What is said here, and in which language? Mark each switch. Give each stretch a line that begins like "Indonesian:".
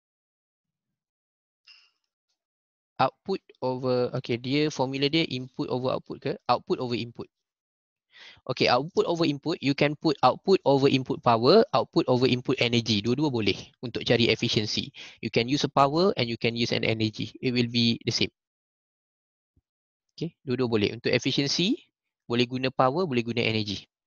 English: Output over, okay,
Malay: dia formula dia
English: input over output ke? Output over input. Okay, output over input, you can put output over input power, output over input energy.
Malay: Dua-dua boleh untuk cari efficiency.
English: You can use a power and you can use an energy. It will be the same. Okay,
Malay: dua-dua boleh. Untuk efficiency, boleh guna power, boleh guna energy.